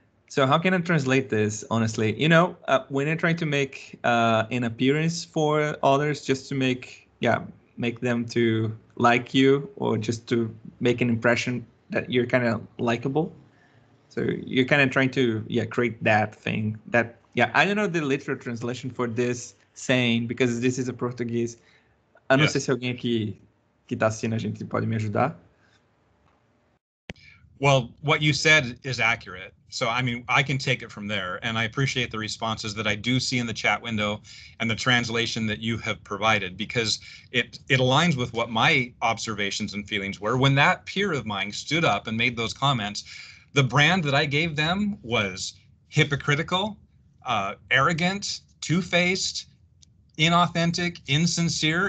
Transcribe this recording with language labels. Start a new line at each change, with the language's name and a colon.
English: So how can I translate this, honestly? You know, when I try to make an appearance for others just to make, yeah, make them to like you or just to make an impression that you're kind of likable. So you're kind of trying to, yeah, create that thing that, yeah, I don't know the literal translation for this saying because this is a Portuguese.
Portuguese: A não ser se alguém aqui que tá assistindo a gente pode me ajudar.
English: Well, what you said is accurate. So, I mean, I can take it from there. And I appreciate the responses that I do see in the chat window and the translation that you have provided, because it aligns with what my observations and feelings were. When that peer of mine stood up and made those comments, the brand that I gave them was hypocritical, arrogant, two-faced, inauthentic, insincere.